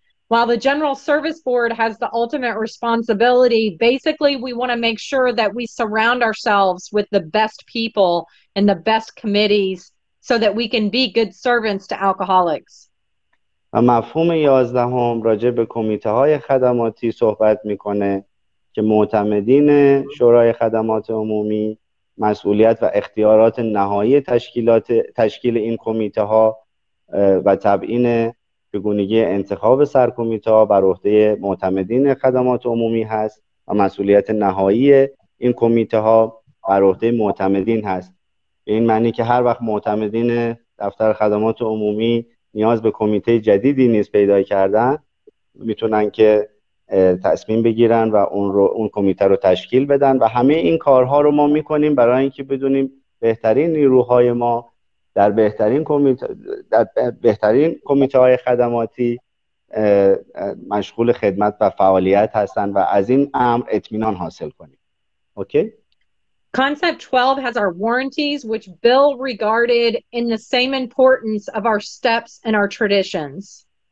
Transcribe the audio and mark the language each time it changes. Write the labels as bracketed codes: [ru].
[en] While the General Service Board has the ultimate responsibility, basically we want to make sure that we surround ourselves with the best people and the best committees so that we can be good servants to alcoholics. [fa] و مفهوم 11 راجع به کمیته های خدماتی صحبت میکنه که معتمدین شورای خدمات عمومی مسئولیت و اختیارات نهایی تشکیل این کمیته ها و تبیین چگونگی انتخاب سرکمیته ها بر عهده معتمدین خدمات عمومی هست و مسئولیت نهایی این کمیته ها بر عهده معتمدین هست. به این معنی که هر وقت معتمدین دفتر خدمات عمومی نیاز به کمیته جدیدی نیز پیدا کردن، میتونن که تصمیم بگیرن و اون کمیته رو تشکیل بدن و همه این کارها رو ما میکنیم برای اینکه بدونیم بهترین نیروهای ما در بهترین کمیته های خدماتی مشغول خدمت و فعالیت هستن و از این امر اطمینان حاصل کنیم. اوکی؟ [en] Concept 12 has our warranties, which Bill regarded in the same importance of our steps and our traditions.